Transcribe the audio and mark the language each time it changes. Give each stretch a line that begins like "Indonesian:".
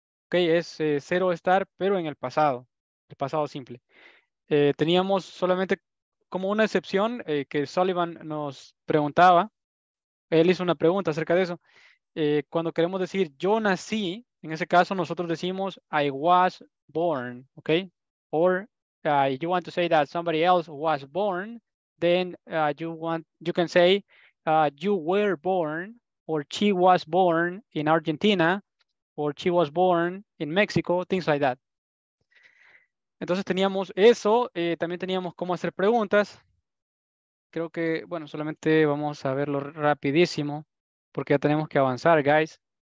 Spanish: Ok, es ser o estar, pero en el pasado. El pasado simple. Teníamos solamente como una excepción que Sullivan nos preguntaba. Él hizo una pregunta acerca de eso. Cuando queremos decir yo nací, en ese caso nosotros decimos
English: I was born,
Spanish: ¿ok?
English: Or if you want to say that somebody else was born, then you can say you were born or she was born in Argentina or she was born in Mexico, things like that.
Spanish: Entonces teníamos eso, también teníamos cómo hacer preguntas. Creo que, bueno, solamente vamos a verlo rapidísimo, porque ya tenemos que avanzar, guys.